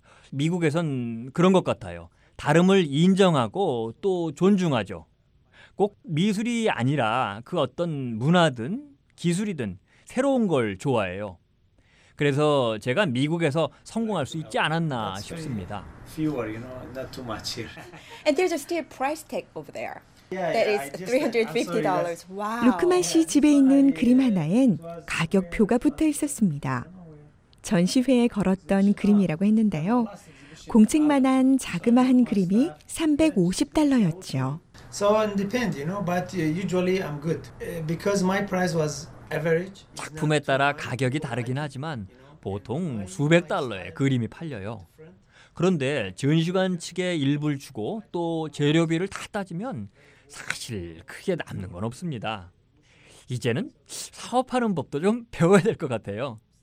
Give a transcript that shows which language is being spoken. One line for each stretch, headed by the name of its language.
Korean: 미국에선 그런 것 같아요. 다름을 인정하고 또 존중하죠. 꼭 미술이 아니라 그 어떤 문화든 기술이든 새로운 걸 좋아해요. 그래서 제가 미국에서 성공할 수 있지 않았나 싶습니다.
English: Fewer, you know, not too much here. And there's a still price tag over there. That is $350. Wow.
Korean: 루크만 씨 집에 있는 그림 하나엔 가격표가 붙어 있었습니다. 전시회에 걸었던 그림이라고 했는데요. 공책만한 자그마한 그림이 $350였죠.
English: So it depends, you know, but usually I'm good because my price was average.
Korean: 작품에 따라 가격이 다르긴 하지만 보통 수백 달러에 그림이 팔려요. 그런데 전시관 측에 일부를 주고 또 재료비를 다 따지면 사실 크게 남는 건 없습니다. 이제는 사업하는 법도 좀 배워야 될 것 같아요.